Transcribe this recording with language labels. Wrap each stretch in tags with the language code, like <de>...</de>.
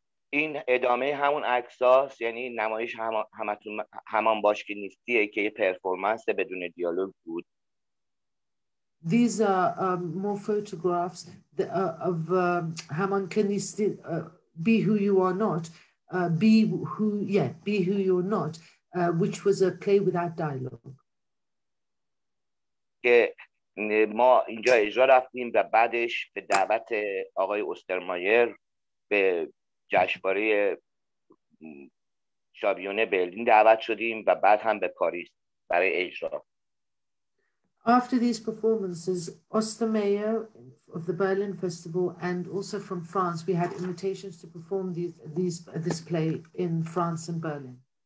<fa>این ادامه همون عکساست، یعنی نمایش همان باش که نیستیه که یه پرفورمنس بدون دیالوگ بود.</fa> <en>These are more photographs of</en> <fa>همان که نیستی</fa> <en>Be Who You Are Not Be Who You Are Not which was a play without dialogue.</en> <fa>که ما اینجا اجرا رفتیم و بعدش به دعوت آقای استرمایر به جشنواره شابیونه برلین دعوت شدیم و بعد هم به پاریس برای اجرا.</fa> <en>After these performances, Ostermeyer of the Berlin Festival and also from France, we had invitations to perform this play in France and Berlin.</en>